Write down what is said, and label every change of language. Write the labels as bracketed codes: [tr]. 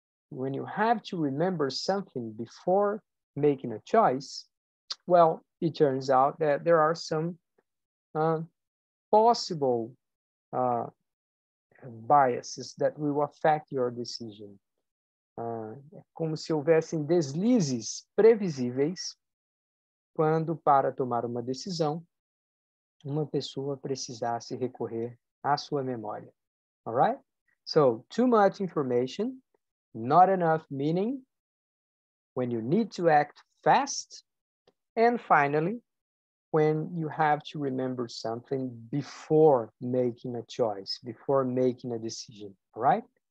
[en] When you have to remember something before making a choice, well, it turns out that there are some possible biases that will affect your decision. [pt] Como se houvessem deslizes previsíveis quando, para tomar uma decisão, uma pessoa precisasse recorrer à sua memória, [en] all right? So, too much information, not enough meaning, when you need to act fast, and finally, when you have to remember something before making a choice, before making a decision, all right?